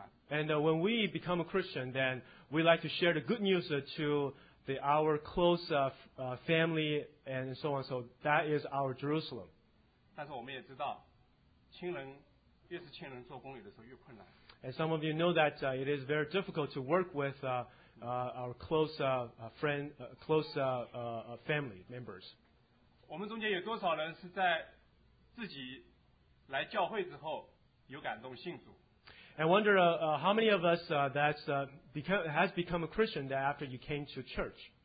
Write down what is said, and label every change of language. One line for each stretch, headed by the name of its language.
English: And when we become a Christian, then we like to share the good news to the, our close family and so on. So that is our Jerusalem. And some of you know that it is very difficult to work with our close friend, close family members.
Chinese: 我们中间有多少人是在自己来教会之后有感动信主？
English: I wonder how many of us that's has become a Christian that after you came to church.